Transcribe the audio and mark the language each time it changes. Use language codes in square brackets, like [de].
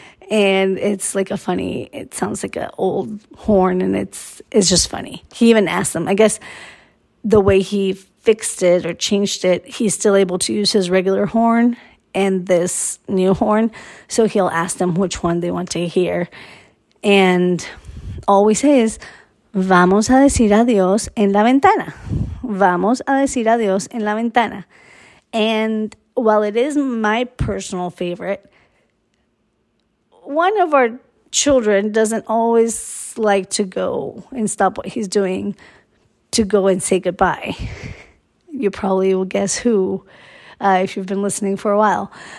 [en] And it's like a funny, it sounds like an old horn, and it's just funny. He even asked them, I guess the way he fixed it or changed it, he's still able to use his regular horn and this new horn. So he'll ask them which one they want to hear. [es] And all we say is, vamos a decir adiós en la ventana. Vamos a decir adiós en la ventana. [en] And while it is my personal favorite, one of our children doesn't always like to go and stop what he's doing to go and say goodbye. You probably will guess who, if you've been listening for a while.